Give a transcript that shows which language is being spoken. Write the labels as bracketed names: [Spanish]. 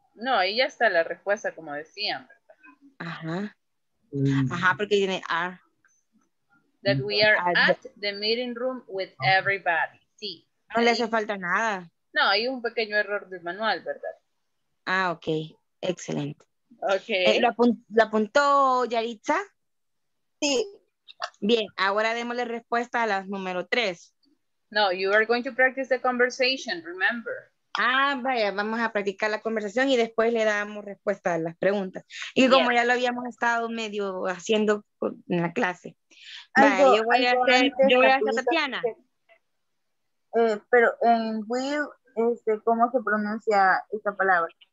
[Spanish] No, ahí ya está la respuesta, como decían. Ajá. Ajá, porque tiene are. [English] That we are at the meeting room with everybody. [Spanish] Sí. No le hace falta nada. No, hay un pequeño error del manual, ¿verdad? Ah, ok. Excelente. Ok. ¿Lo apuntó Yaritza? Sí. Bien, ahora démosle respuesta a la número 3. [English] No, you are going to practice the conversation, remember. [Spanish] Ah, vaya, vamos a practicar la conversación y después le damos respuesta a las preguntas. Y como ya lo habíamos estado medio haciendo en la clase. Vaya, yo voy a hacer, Tatiana. Pero en will, ¿cómo se pronuncia esta palabra?